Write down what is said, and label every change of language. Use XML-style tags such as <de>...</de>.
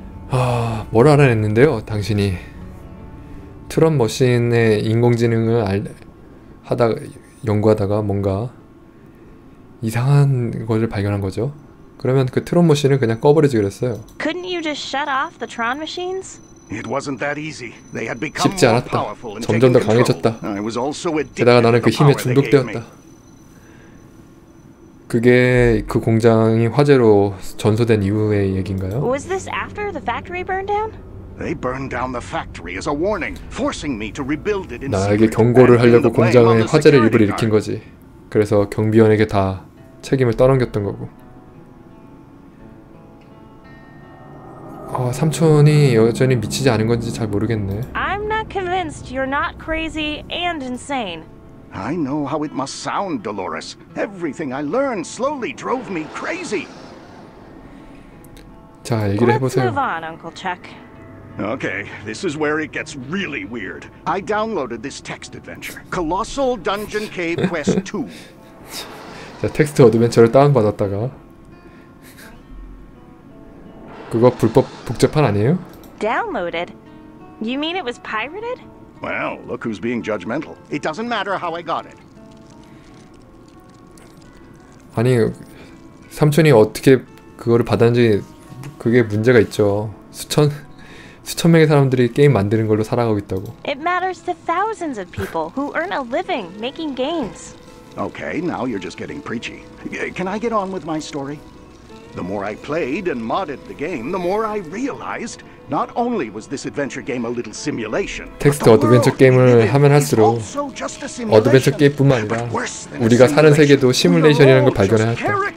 <ko>아, 뭘 알아냈는데요, 당신이. 트론 머신의 인공지능을 연구하다가 뭔가 이상한 것을 발견한 거죠. 그러면 그 트론 머신을 그냥 꺼버리지 그랬어요.</ko> <en>Couldn't you just shut off the Tron machines? It wasn't that easy. They had become</en> <ko>쉽지 않았다. 점점 더 강해졌다. 게다가 나는 그 힘에 중독되었다. 그게 그 공장이 화재로 전소된 이후의 얘기인가요?</ko> <en>Was this after the factory burned down? They burned down the factory as a warning, forcing me to rebuild it in secret.</en> <ko>나에게 경고를 하려고 공장에 화재를 일부러 일으킨 거지. 그래서 경비원에게 다 책임을 떠넘겼던 거고. 아, 삼촌이 여전히 미치지 않은 건지 잘 모르겠네.</ko> <en>I'm not convinced you're not crazy and insane. I know how it must sound, Dolores. Everything I learned slowly drove me crazy.</en> <ko>자, 얘기를 해보세요.</ko> <en>Let's move on, Uncle Chuck. Okay, this is where it gets really weird. I downloaded this text adventure. Colossal Dungeon Cave Quest 2.</en> <ko>자, 텍스트 어드벤처를 다운받았다가. 그거 불법 복제판 아니에요?</ko> <en>Downloaded? You mean it was pirated? Well, look who's being judgmental. It doesn't matter how I got it.</en> <ko>아니, 삼촌이 어떻게 그거를 받았는지 그게 문제가 있죠. 수천 명의 사람들이 게임 만드는 걸로 살아가고 있다고.</ko> <en>It matters to thousands of people who earn a living making games. Okay, now you're just getting preachy. Can I get on with my story? The more I played and modded the game, the more I realized not only was this adventure game a little simulation.</en> <ko>텍스트 어드벤처 게임을 하면 할수록 어드벤처 게임뿐만 아니라 우리가 사는 세계도 시뮬레이션이라는 걸 발견해야 했다.</ko>